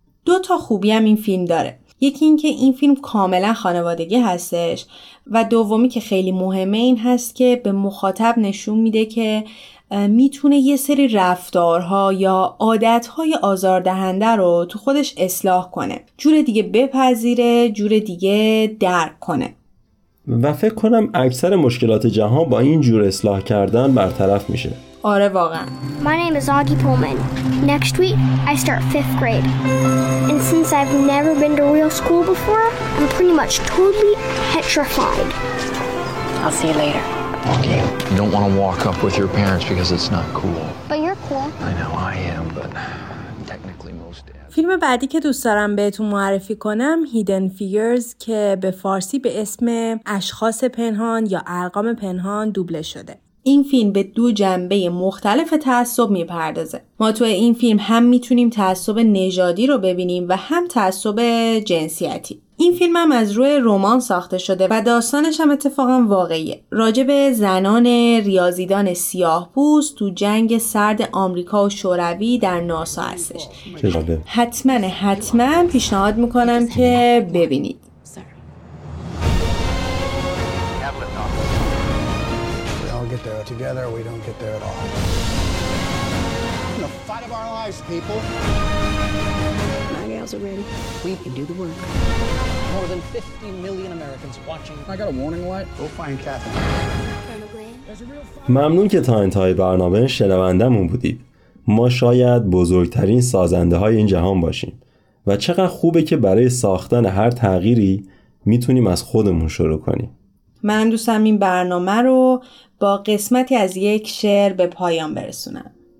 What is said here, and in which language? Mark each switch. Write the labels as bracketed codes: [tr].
[fa] دو تا خوبی هم این فیلم داره. یکی این که این فیلم کاملا خانوادگی هستش و دومی که خیلی مهمه این هست که به مخاطب نشون میده که میتونه یه سری رفتارها یا عادتهای آزاردهنده رو تو خودش اصلاح کنه. جور دیگه بپذیره، جور دیگه درک کنه. و فکر کنم اکثر مشکلات جهان با این جور اصلاح کردن برطرف میشه. آره واقعا. [en] My name is Augie Pullman. Next week I start 5th grade. And since I've never been to real school before, I'm pretty much totally petrified. I'll see you later. Okay. You don't want to walk up with your parents because it's not cool. But you're cool. I know I am, but [fa] فیلم بعدی که دوست دارم بهتون معرفی کنم Hidden Figures که به فارسی به اسم اشخاص پنهان یا ارقام پنهان دوبله شده. این فیلم به دو جنبه مختلف تعصب میپردازه. ما توی این فیلم هم میتونیم تعصب نژادی رو ببینیم و هم تعصب جنسیتی. این فیلم هم از روی رمان ساخته شده و داستانش هم اتفاقا واقعیه. راجب زنان ریاضیدان سیاه‌پوست تو جنگ سرد آمریکا و شوروی در ناسا هستش. حتما پیشنهاد میکنم که ببینید. [en] Together, we don't get there at all. The fight of our lives, people. My gals are ready. We can do the work. More than 50 million Americans watching. I got a warning light. Go find Catherine. [fa] ممنون که تا انتهای برنامه شنوندمون بودید. ما شاید بزرگترین سازنده های این جهان باشیم و چقدر خوبه که برای ساختن هر تغییری میتونیم از خودمون شروع کنیم. من دوستم این برنامه رو با قسمتی از یک شعر به پایان برسونم.